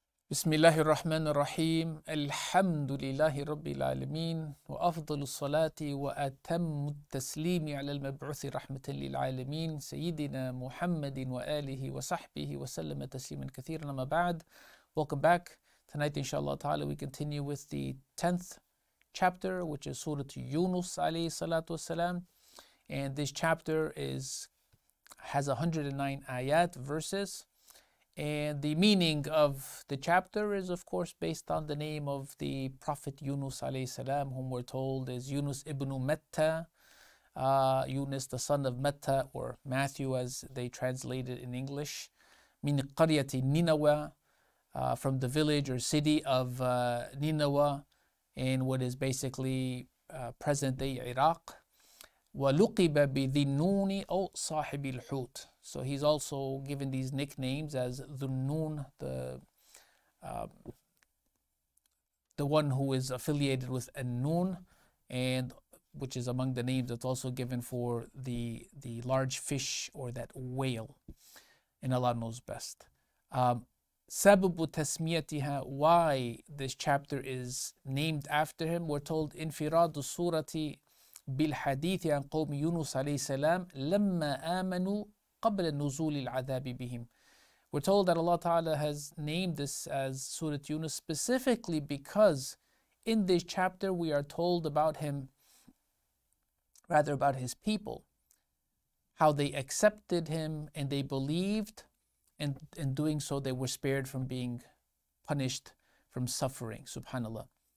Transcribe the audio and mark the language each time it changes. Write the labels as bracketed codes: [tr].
[ar] بسم الله الرحمن الرحيم الحمد لله رب العالمين وأفضل الصلاة وأتم التسليم على المبعوث رحمة للعالمين سيدنا محمد وآله وصحبه وسلم تسليما كثيرا ما بعد. [en] Welcome back. Tonight inshallah ta'ala we continue with the 10th chapter, which is Surah Yunus alayhi salatu wasalam. And this chapter has 109 ayat verses. And the meaning of the chapter is, of course, based on the name of the Prophet Yunus alayhi salam, whom we're told is Yunus ibn Matta, Yunus the son of Matta, or Matthew as they translate it in English, [ar] min qaryati Ninawah, [en] from the village or city of Ninawah, in what is basically present-day Iraq. [ar] وَلُقِبَ بِذِنُونِ أَوْ صَاحِبِ الْحُوتِ. [en] So he's also given these nicknames as Dhunnun, the one who is affiliated with An-Nun, and which is among the names that's also given for the large fish or that whale, and Allah knows best. [ar] سَبُبُ تَسْمِيَتِهَا, [en] why this chapter is named after him, we're told [ar] إِنْفِرَادُ السُّورَةِ بِالْحَدِيثِ عَنْ قَوْمِ يُنُسَ عَلَيْهِ السَّلَامِ لَمَّا آمَنُوا قبل النزول العذاب بهم. [en] We're told that Allah Ta'ala has named this as Surah Yunus specifically because in this chapter we are told about him, rather about his people, how they accepted him and they believed, and in doing so they were spared from being punished, from suffering, subhanAllah.